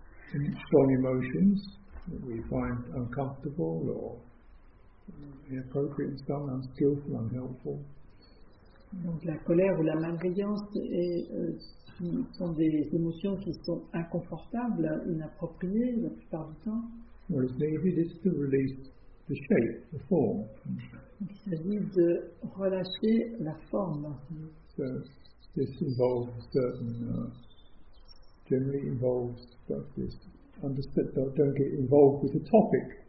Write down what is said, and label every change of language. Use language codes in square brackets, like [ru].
[en] Strong emotions that we find uncomfortable or inappropriate, some unskillful, unhelpful. [fr] Donc la colère ou la malveillance est, sont des émotions qui sont inconfortables, inappropriées la plupart du temps. [en] Well, it's needed to release the shape, the form. [fr] Donc, il s'agit de relâcher la forme. [en] So, this involves certain, generally involves this. Don't get involved with the topic.